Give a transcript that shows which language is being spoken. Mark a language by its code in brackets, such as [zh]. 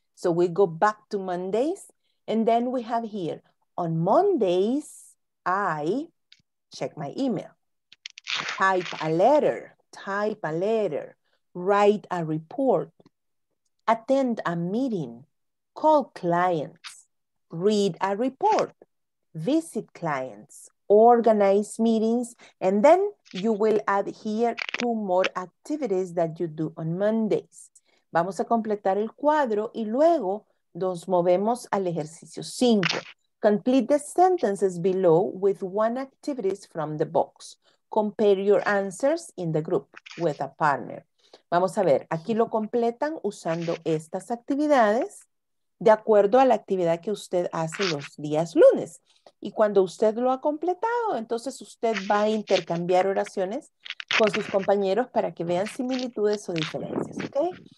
[en] So we go back to Mondays. And then we have here, on Mondays, I check my email, type a letter, write a report, attend a meeting, call clients, read a report, visit clients, organize meetings, and then you will add here 2 more activities that you do on Mondays. [es] Vamos a completar el cuadro y luego nos movemos al ejercicio 5. [en] Complete the sentences below with 1 activities from the box. Compare your answers in the group with a partner. [es] Vamos a ver, aquí lo completan usando estas actividades de acuerdo a la actividad que usted hace los días lunes. Y cuando usted lo ha completado, entonces usted va a intercambiar oraciones con sus compañeros para que vean similitudes o diferencias, ¿ok?